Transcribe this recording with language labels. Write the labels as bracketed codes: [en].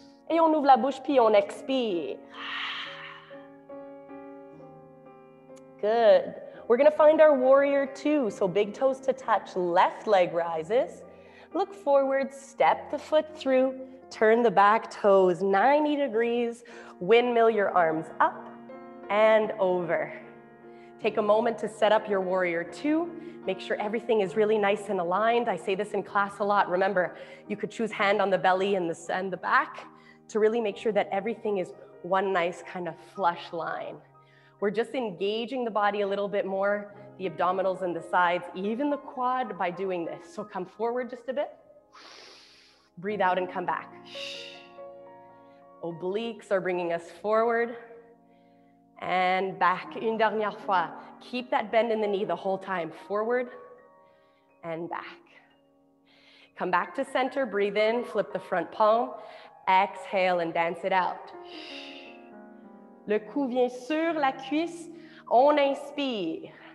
[fr] Et on ouvre la bouche, puis on expire. Good. [en] We're gonna find our warrior two. So big toes to touch, left leg rises. Look forward, step the foot through, turn the back toes 90 degrees, windmill your arms up and over. Take a moment to set up your warrior two. Make sure everything is really nice and aligned. I say this in class a lot. Remember, you could choose hand on the belly and the back to really make sure that everything is one nice kind of flush line. We're just engaging the body a little bit more, the abdominals and the sides, even the quad by doing this. So come forward just a bit. Breathe out and come back. Obliques are bringing us forward. And back, [fr] une dernière fois. [en] Keep that bend in the knee the whole time. Forward and back. Come back to center, breathe in, flip the front palm. Exhale and dance it out. [fr] Le cou vient sur la cuisse, on inspire.